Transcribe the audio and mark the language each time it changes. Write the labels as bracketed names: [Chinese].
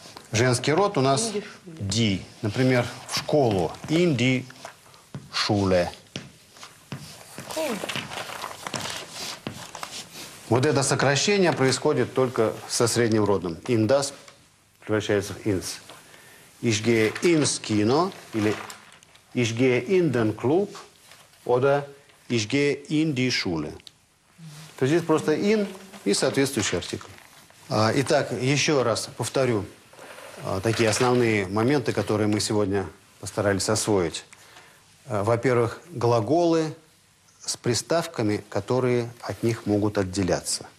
[Russian] Женский род у нас ди. Например, в школу. [German] In die Schule. [Russian] Вот это сокращение происходит только со средним родом. [German] In das [Russian] превращается в [German] ins. Ich gehe ins Kino или ich gehe in den Club oder ich gehe in die Schule. [Russian] То есть здесь просто in и соответствующий артикль. Итак, еще раз повторю такие основные моменты, которые мы сегодня постарались освоить. Во-первых, глаголы с приставками, которые от них могут отделяться.